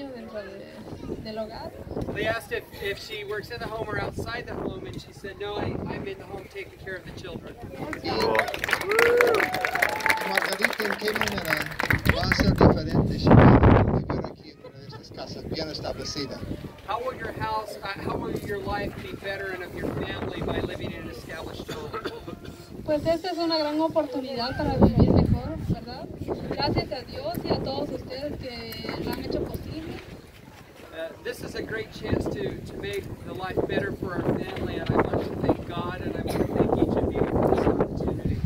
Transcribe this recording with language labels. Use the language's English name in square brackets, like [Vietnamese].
[English] They asked if she works in the home or outside the home, and she said, no, I'm in the home taking care of the children. Margarita came in here, [Spanish] va a ser diferente, [English] she will be [Spanish] aquí en una de estas casas, bien establecida. [English] How will your house, how will your life be better and of your family by living in an established home? [Spanish] Pues esta es una gran oportunidad para vivir mejor, ¿verdad? Gracias a Dios y a todos ustedes que lo han hecho posible. [English] This is a great chance to make the life better for our family, and I want to thank God, and I want to thank each of you for this opportunity.